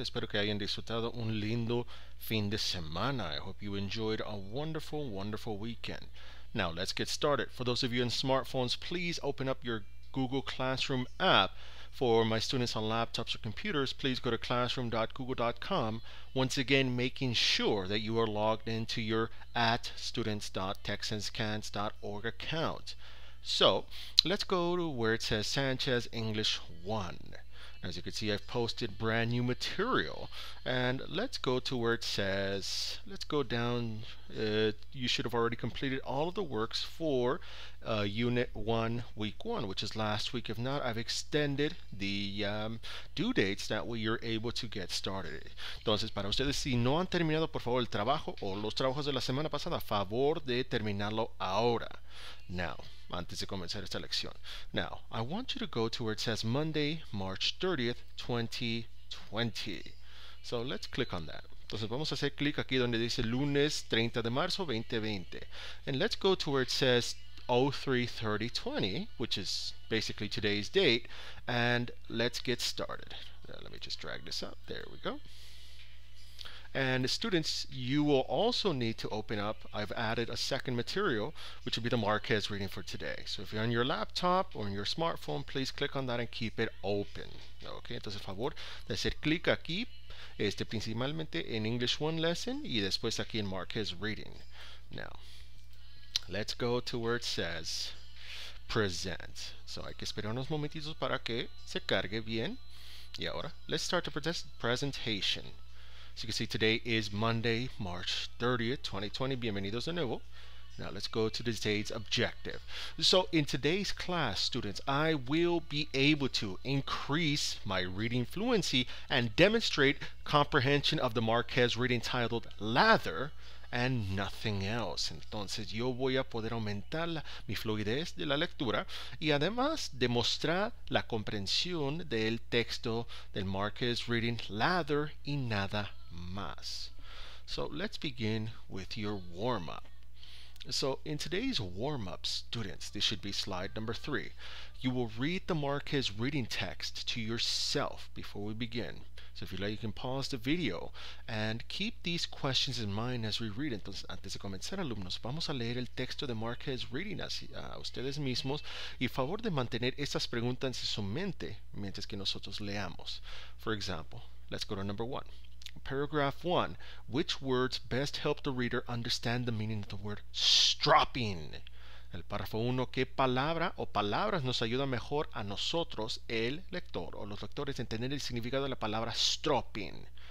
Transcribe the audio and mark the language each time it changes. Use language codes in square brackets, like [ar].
[es] Espero que hayan disfrutado un lindo fin de semana. [en] I hope you enjoyed a wonderful, wonderful weekend. Now, let's get started. For those of you in smartphones, please open up your Google Classroom app. For my students on laptops or computers, please go to classroom.google.com. Once again, making sure that you are logged into your @students.texanscans.org account. So, let's go to where it says Sanchez English 1. As you can see, I've posted brand new material. And let's go to where it says, let's go down. You should have already completed all of the works for Unit 1, Week 1, which is last week. If not, I've extended the due dates that way you're able to get started. [es] Entonces, para ustedes, si no han terminado, por favor, el trabajo o los trabajos de la semana pasada, favor de terminarlo ahora. Now, antes de comenzar esta lección. [en] Now, I want you to go to where it says Monday, March 30th, 2020. So, let's click on that. [es] Entonces, vamos a hacer clic aquí donde dice lunes 30 de marzo 2020. [en] And let's go to where it says 03-30-20, which is basically today's date. And let's get started. Let me just drag this up. There we go. And students, you will also need to open up, I've added a second material, which will be the Marquez reading for today. So if you're on your laptop or on your smartphone, please click on that and keep it open. [es] Okay, entonces, favor, de hacer clic aquí, principalmente en English 1 lesson, y después aquí en Marquez reading. [en] Now, let's go to where it says present. [es] So hay que esperar unos momentitos para que se cargue bien. Y ahora, [en] let's start the presentation. As you can see, today is Monday, March 30th, 2020. [es] Bienvenidos de nuevo. [en] Now, let's go to today's objective. So, in today's class, students, I will be able to increase my reading fluency and demonstrate comprehension of the Marquez reading titled Lather and Nothing Else. [es] Entonces, yo voy a poder aumentar mi fluidez de la lectura y además demostrar la comprensión del texto del Marquez reading Lather y Nada Else. [en] Mass. So let's begin with your warm-up. So in today's warm-up, students, this should be slide number 3. You will read the Marquez reading text to yourself before we begin. So if you like, you can pause the video and keep these questions in mind as we read. [es] Entonces, antes de comenzar, alumnos, vamos a leer el texto de Marquez reading a ustedes mismos y favor de mantener estas preguntas en su mente mientras que nosotros leamos. [en] For example, let's go to number 1. Paragraph 1, which words best help the reader understand the meaning of the word stropping? [es] El párrafo 1, ¿qué palabra o palabras nos ayuda mejor a nosotros, el lector o los lectores, entender el significado de la palabra stropping?